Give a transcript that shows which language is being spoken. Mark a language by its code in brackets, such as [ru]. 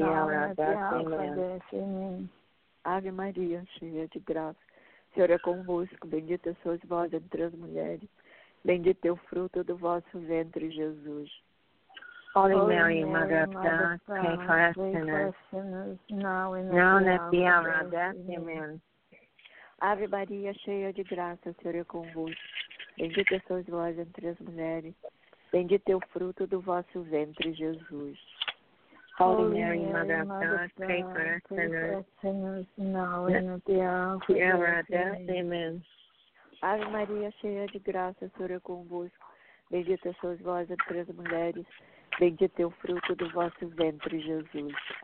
[en] Holy Mary, Mother of God, pray for us sinners now and at the hour of death. Amen. [pt] Ave Maria, cheia de graça, Senhor é convosco. Bendita sois vós entre as mulheres. Bendito é o fruto do vosso ventre, Jesus. [en] Holy Mary, Mother of God, pray for us sinners now and at the hour of death. Amen. [pt] Ave Maria, cheia de graça, o Senhor é convosco. Bendita sois vós entre as mulheres. Bendito é o fruto do vosso ventre, Jesus. [en] Holy Mary, Mother of God, pray for us sinners now and at the hour of death. Amen. [pt] Ave Maria, cheia de graça, o Senhor é convosco. Bendita sois vós entre as mulheres. Bendito é o fruto do vosso ventre, Jesus.